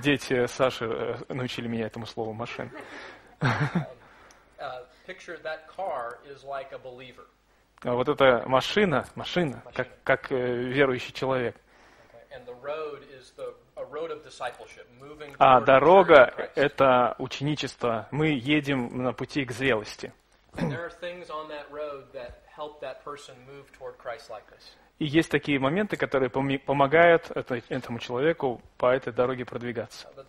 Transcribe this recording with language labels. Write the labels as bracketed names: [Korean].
[Russian] Дети Саши научили меня этому слову машина. [English] Picture that car is like a believer. [Russian] Вот эта машина, как верующий человек. [English] And the road is the a road of discipleship, moving. [Russian] А дорога — это ученичество. Мы едем на пути к зрелости. [English] There are things on that road that help that person move toward Christ-likeness. [Russian] И есть такие моменты, которые помогают этому человеку по этой дороге продвигаться.